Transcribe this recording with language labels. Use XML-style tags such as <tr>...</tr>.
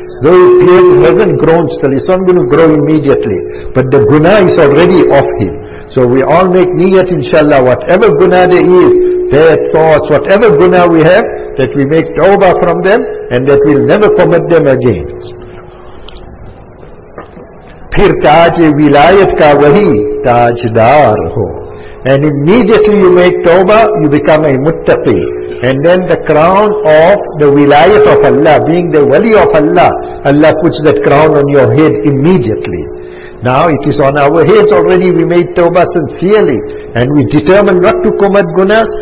<en>Though his beard hasn't grown still, it's not going to grow immediately, but the guna is already off him. So we all make niyat, inshallah, whatever guna there is, bad thoughts, whatever guna we have, that we make tawbah from them, and that we'll never commit them again.</en> <ur>پھر تاج ولایت کا وہی تاجدار ہو.</ur> <en>And immediately you make tawbah, you become a muttaqi. And then the crown of the wilayat of Allah, being the wali of Allah, Allah puts that crown on your head immediately. Now it is on our heads already. We made tawbah sincerely and we determined not to commit gunas.</en>